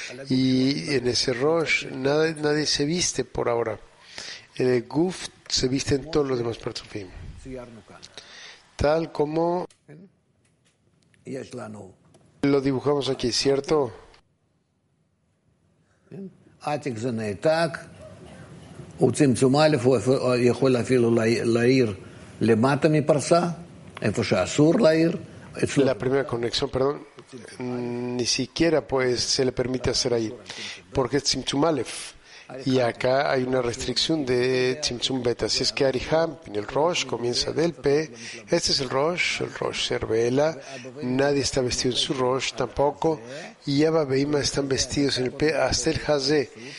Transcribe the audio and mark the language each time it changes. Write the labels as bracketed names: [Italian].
[Spanish] Y en ese Rosh nadie se viste por ahora. En el Guf se visten todos los demás Parzufim. Tal como lo dibujamos aquí, ¿cierto? [Hebrew] Atik זה נעתק, הוא צמצום א', הוא יכול אפילו להעיר למטה מפרסה, איפה שאסור להעיר. [Spanish] La primera conexión, perdón, ni siquiera pues se le permite hacer ahí, porque es Tzimtzum Alef, y acá hay una restricción de Tzimtzum Beta, así es que Arihampin, el Rosh, comienza del P, este es el Rosh se revela, nadie está vestido en su Rosh tampoco, y Abba Beima están vestidos en el P hasta el Hazé,